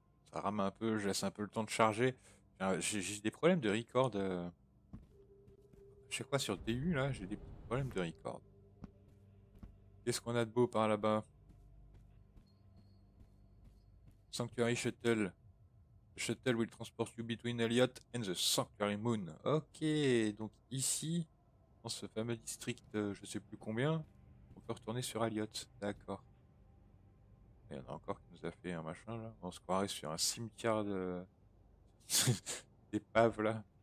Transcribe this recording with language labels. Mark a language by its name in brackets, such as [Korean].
[French] Ça rame un peu, je laisse un peu le temps de charger. J'ai des problèmes de record. Je sais quoi, sur DU là, j'ai des petits problèmes de record. Qu'est-ce qu'on a de beau par là-bas? [English] Sanctuary Shuttle. Shuttle will transport you between Elliot and the Sanctuary Moon. [French] Ok, donc ici, dans ce fameux district, je sais plus combien, on peut retourner sur Elliot. D'accord. Il y en a encore qui nous a fait un machin là. On se croirait sur un cimetière de. d'épave là.